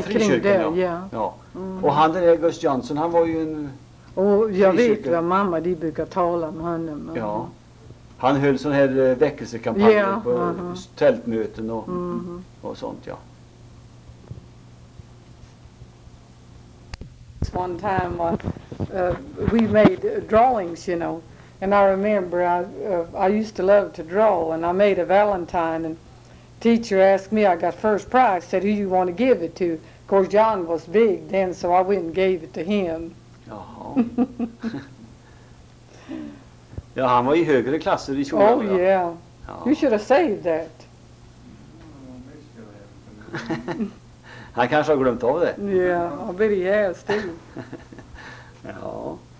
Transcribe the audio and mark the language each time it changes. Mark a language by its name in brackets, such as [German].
[Swedish] kring där. Ja, ja. Ja. Mm. Och han där är Gus Johnson, han var ju en Och jag frikyrka. Vet vad mamma, de brukar tala om honom. Ja. Han höll sån här väckelsekampanjer på tältmöten och, och sånt, ja. [English] One time we made drawings, you know, and I remember I used to love to draw, and I made a Valentine, and teacher asked me, I got first prize, said, who you want to give it to? Of course, John was big then, so I went and gave it to him. [Swedish] Ja, han var i högre klasser i skolan. [English] Oh, yeah. Ja. You should have saved that. [Swedish] Han kanske har glömt av det. [English] Yeah, I bet he has too. [Swedish] Ja.